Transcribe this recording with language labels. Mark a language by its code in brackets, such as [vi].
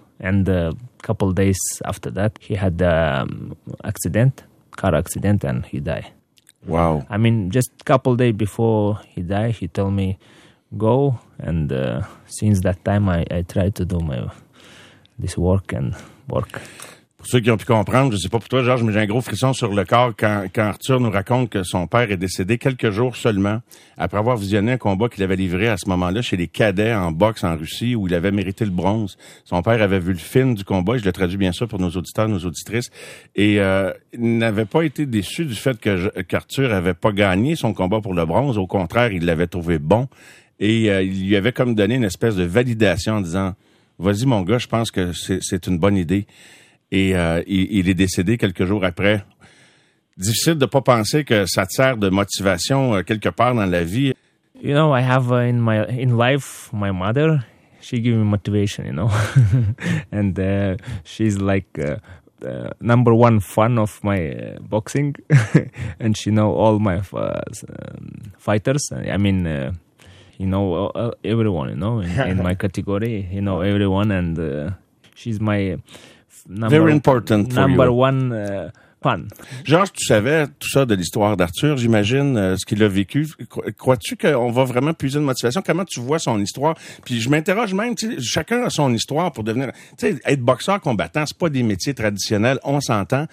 [en] And a couple days after that, he had an accident, car accident, and he died. Wow. I mean, just a couple days before he died, he told me, "Go." And since that time, I tried to do my this work and. Work. [fr] Pour ceux qui ont pu comprendre, je ne sais pas pour toi, Georges, mais j'ai un gros frisson sur le corps quand Arthur nous raconte que son père est décédé quelques jours seulement après avoir visionné un combat qu'il avait livré à ce moment-là chez les cadets en boxe en Russie où il avait mérité le bronze. Son père avait vu le film du combat, et je le traduis bien sûr pour nos auditeurs, nos auditrices, et il n'avait pas été déçu du fait qu'Arthur n'avait pas gagné son combat pour le bronze. Au contraire, il l'avait trouvé bon et il lui avait comme donné une espèce de validation en disant « Vas-y, mon gars, je pense que c'est une bonne idée. » Et il est décédé quelques jours après. Difficile de pas penser que ça te sert de motivation quelque part dans la vie. [en] You know, I have in life, my mother, she gives me motivation, you know. And she's like the number one fan of my boxing. And she know all my fighters. I mean... You know everyone, you know, in my category, you know everyone, and she's my number, very important for number you. One fan. [fr] Georges, tu savais tout ça de l'histoire d'Arthur, j'imagine ce qu'il a vécu. Crois-tu qu'on va vraiment puiser une motivation? Comment tu vois son histoire? Puis je m'interroge même, tu sais, chacun a son histoire pour devenir... Tu sais, être boxeur, combattant, c'est pas des métiers traditionnels, on s'entend.